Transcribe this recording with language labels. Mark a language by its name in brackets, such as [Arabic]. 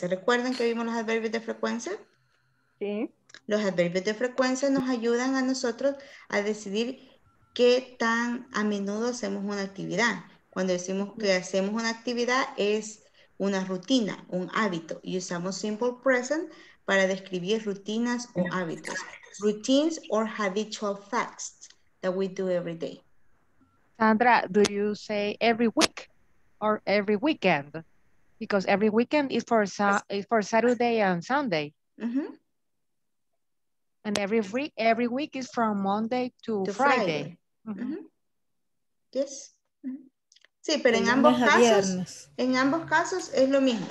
[Spanish] ¿Se recuerdan que vimos los adverbios de frecuencia? Sí. Los adverbios de frecuencia nos ayudan a nosotros a decidir qué tan a menudo hacemos una actividad. Cuando decimos que hacemos una actividad es una rutina, un hábito. Y usamos simple present para describir rutinas o hábitos. [English] Routines or habitual facts that we do every day. Sandra, do you say every week or every weekend? Because every weekend is for Saturday and Sunday. Mm-hmm. And every week is from Monday to Friday. Friday. Mm-hmm. Yes. Mm-hmm. [Spanish] Sí, pero en ambos casos es lo mismo.